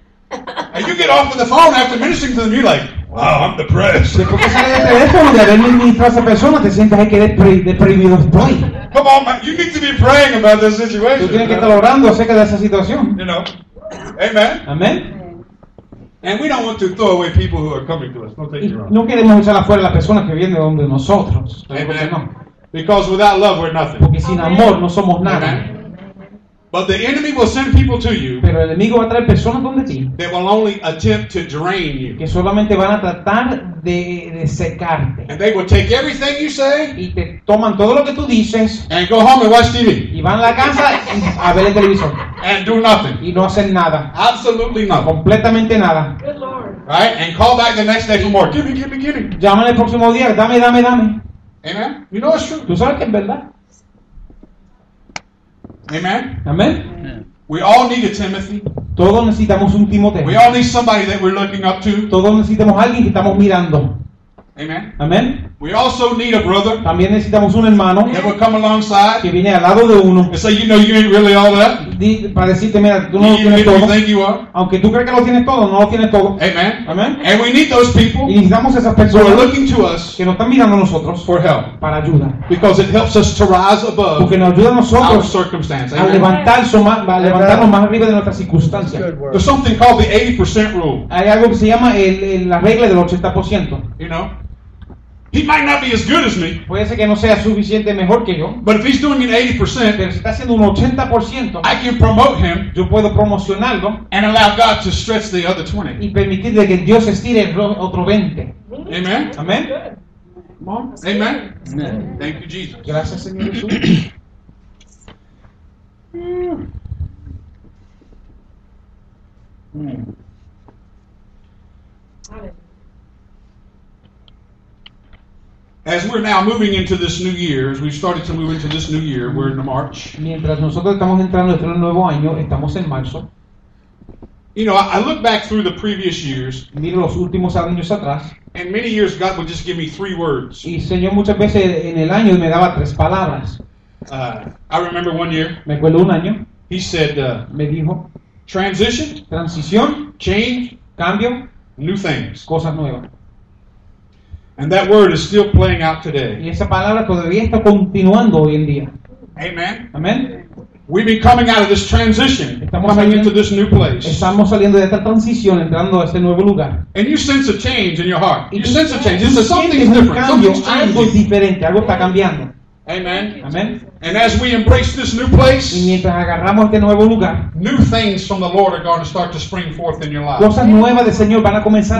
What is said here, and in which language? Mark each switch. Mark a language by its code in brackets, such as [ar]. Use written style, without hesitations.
[en] And you get off of the phone after ministering to them, you're like, wow, I'm depressed. [es] Porque sale de teléfono de haber ministrado a esa persona, te sientes que deprimido estoy. [en] Come on, man. You need to be praying about this situation. [es] Tú tienes que estar orando acerca de esa situación. [en] You know. Amen. Amen. And we don't want to throw away people who are coming to us. Don't take it wrong. [es] No queremos echar afuera las personas que vienen donde nosotros. [en] Amen. No. Because without love, we're nothing. [es] Porque sin amor no somos nada. [en] Amen. But the enemy will send people to you. [es] Pero el enemigo va a traer personas donde ti. [en] They will only attempt to drain you. [es] Que solamente van a tratar de secarte. [en] And they will take everything you say. [es] Y te toman todo lo que tú dices. [en] And go home and watch TV. [es] Y van a la casa y a ver el televisor. [en] And do nothing. [es] Y no hacen nada. [en] Absolutely nothing. [es] Completamente nada. [en] Good Lord. Right? And call back the next day for more. Give me, give me, give me. [es] Llámame el próximo día. Dame, dame, dame. [en] Amen. You know it's true. [es] Tú sabes que es verdad. [en] Amen. Amen. We all need a Timothy. [es] Todos necesitamos un Timoteo. [en] We all need somebody that we're looking up to. [es] Todos necesitamos alguien que estamos mirando. [en] Amen. Amen. We also need a brother. [es] También necesitamos un hermano. [en] That will come alongside. [es] Que viene al lado de uno. [en] And say, you know, you ain't really all that. [es] Para decirte, mira, tú no lo tienes todo. [en] You think you are. [es] Aunque tú crees que lo tienes todo, no lo tienes todo. [en] Amen. Amen. And we need those people. [es] Y necesitamos esas personas. [en] Who are looking to us. [es] Que nos están mirando a nosotros. [en] For help. [es] Para ayuda. [en] Because it helps us to rise above. [es] Porque nos ayuda a nosotros. [en] Our circumstance. [es] A levantarnos más arriba de nuestras circunstancias. [en] There's something called the 80% rule. [es] Hay algo que se llama la regla del 80%. [en] You know. He might not be as good as me. [es] Puede ser que no sea suficiente mejor que yo. [en] But if he's doing an 80%, [es] pero si está haciendo un 80%, [en] I can promote him. [es] Yo puedo promocionarlo. [en] And allow God to stretch the other 20. [es] Y permitir que Dios estire el otro 20. [en] Amen. Amen. Amen. Amen. Thank you, Jesus. [es] Gracias, Señor Jesús. [en] As we're now moving into this new year, as we've started to move into this new year, we're in March. [es] Mientras nosotros estamos entrando en nuestro nuevo año, estamos en marzo. [en] You know, I look back through the previous years. [es] Miro los últimos años atrás. [en] And many years, God would just give me three words. [es] Y Señor muchas veces en el año me daba tres palabras. [en] I remember one year. [es] Me acuerdo un año. [en] He said. [es] Me dijo. [en] Transition. [es] Transición. [en] Change. [es] Cambio. [en] New things. [es] Cosas nuevas. [en] And that word is still playing out today. [es] Y esa palabra todavía está continuando hoy en día. [en] Amen. Amen. We've been coming out of this transition. [es] Estamos [en] coming [es] saliendo, [en] into this new place. [es] Estamos saliendo de esta transición, entrando a este nuevo lugar. [en] And you sense a change in your heart. [es] Y [en] you sense a change. Something is different. [es] Algo diferente. Algo está cambiando. [en] Amen. Amen. And as we embrace this new place, [es] y mientras agarramos este nuevo lugar, [en] new things from the Lord are going to start to spring forth in your life. [es] Cosas nuevas del Señor van a comenzar